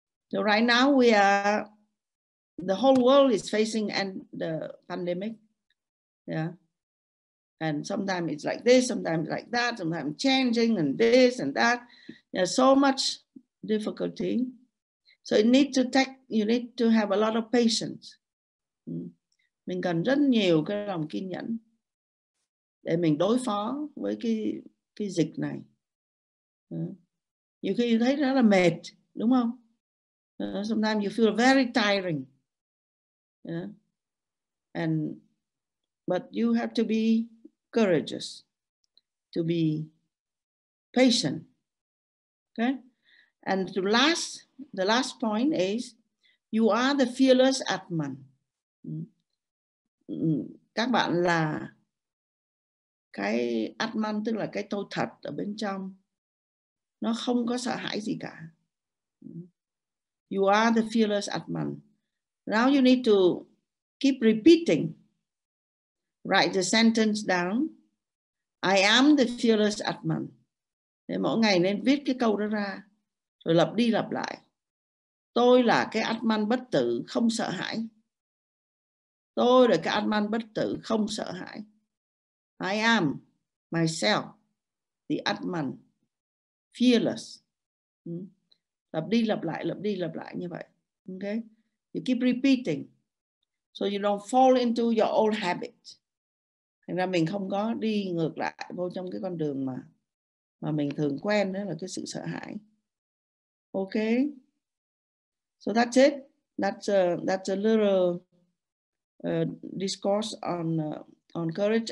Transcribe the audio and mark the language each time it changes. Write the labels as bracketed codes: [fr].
[en] So right now we are, the whole world is facing the pandemic. Yeah. And sometimes it's like this, sometimes like that, sometimes changing and this and that. There's so much difficulty. So you need to have a lot of patience. [vi] Mình cần rất nhiều cái lòng kiên nhẫn để mình đối phó với cái dịch này. Nhiều khi thấy rất là mệt, đúng không? [en] Sometimes you feel very tiring. Yeah. But you have to be courageous, to be patient. Okay? And the last point is you are the fearless Atman. [vi] Các bạn là cái Atman, tức là cái tôi thật ở bên trong. Nó không có sợ hãi gì cả. [en] You are the fearless Atman. Now you need to keep repeating. Write the sentence down. I am the fearless Atman. [vi] Để mỗi ngày nên viết cái câu đó ra. Rồi lặp đi lặp lại. Tôi là cái Atman bất tử, không sợ hãi. Tôi là cái Atman bất tử, không sợ hãi. [en] I am myself, the Atman, fearless. [vi] Lặp đi lặp lại như vậy. [en] Okay? You keep repeating. So you don't fall into your old habit. [vi] Thành ra mình không có đi ngược lại vô trong cái con đường mà mình thường quen, đó là cái sự sợ hãi. [en] Okay? So that's it. That's a little discourse on courage.